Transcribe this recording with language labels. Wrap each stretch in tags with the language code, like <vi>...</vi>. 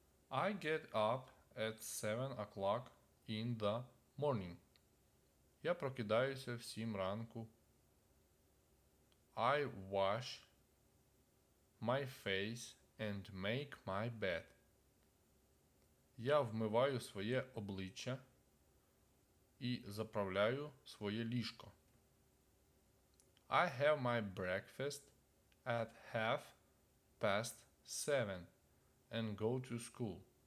<en>I get up at 7 o'clock in the morning.</en> <uk>Я прокидаюся в 7 ранку.</uk> <en>I wash my face and make my bed.</en> <uk>Я вмиваю своє обличчя і заправляю своє ліжко.</uk> <en>I have my breakfast at 7:30 and go to school.</en>